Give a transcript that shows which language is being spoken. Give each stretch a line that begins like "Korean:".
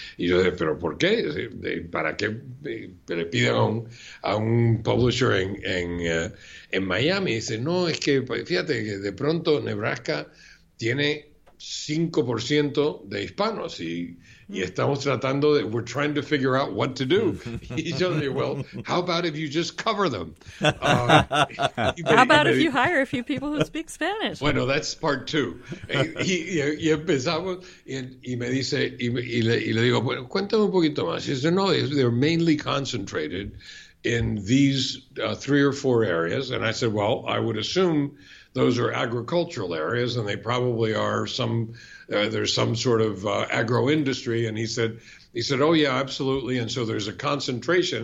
Spanish: Y yo dije, ¿pero por qué? ¿Para qué le piden a un publisher en Miami? Y dice, no, es que fíjate que de pronto Nebraska tiene 5% de hispanos y estamos tratando de,
English: we're trying to figure out what to do.
Spanish: Y yo le digo,
English: well, how about if you just cover them? How about if you hire a few people who speak Spanish?
Spanish: Bueno,
English: that's part two.
Spanish: Y empezamos, y me dice, y le digo, bueno, cuéntame un poquito más. Y dice, no,
English: they're mainly concentrated in these three or four areas. And I said, well, I would assume those are agricultural areas, and they probably are some, there's some sort of agro-industry. And he said, oh, yeah, absolutely. And so there's a concentration.